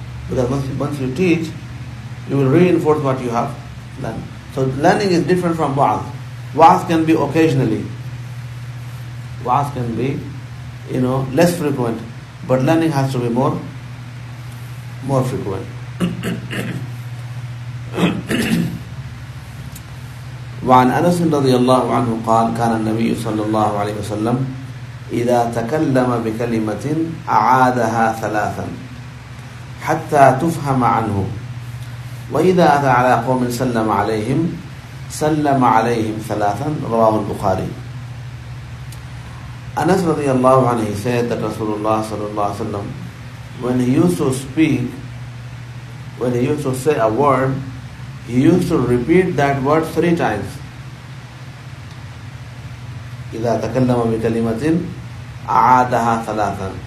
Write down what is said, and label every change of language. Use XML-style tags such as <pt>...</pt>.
<en>Because once you teach, you will reinforce what you have learned. So learning is different from wa'az. Wa'az can be occasionally. Wa'az can be, you know, less frequent. But learning has to be more frequent.</en> <ar>وعن أنس رضي الله عنه قال كان النبي صلى الله عليه وسلم إذا تكلم بكلمة أعادها ثلاثا حتى تفهم عنه وإذا أتى على قوم سلم عليهم سلم عليهم ثلاثا رواه البخاري.</ar> <en>Anas radiallahu anhu, he said that Rasulullah sallallahu alayhi wa sallam, when he used to speak, when he used to say a word, he used to repeat that word three times.</en> <ar>إِذَا تَكَلَّمَ بِكَلِمَةٍ أَعَادَهَا ثَلَاثًا.</ar>